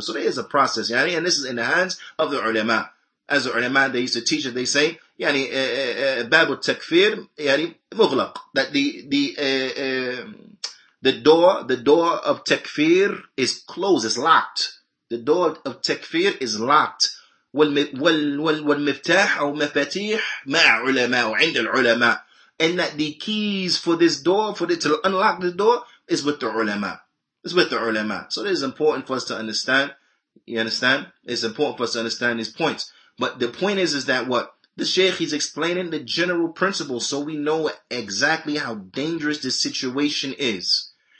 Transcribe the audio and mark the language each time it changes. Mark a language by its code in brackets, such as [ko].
[en] So there is a process, yani, and this is in the hands of the ulama. As the ulama, they used to teach it, they say, yani, [ar] babu takfir, yani, mughlaq. [en] That the door of takfir is closed, it's locked. The door of takfir is locked. [ar] والمفتاح أو مفاتيح مع علماء وعند العلماء. [en] And that the keys for this door, for it to unlock the door, is with the ulama. It's with the ulama. So it is important for us to understand. You understand? It's important for us to understand these points. But the point is that what? The Sheikh is explaining the general principle so we know exactly how dangerous this situation is.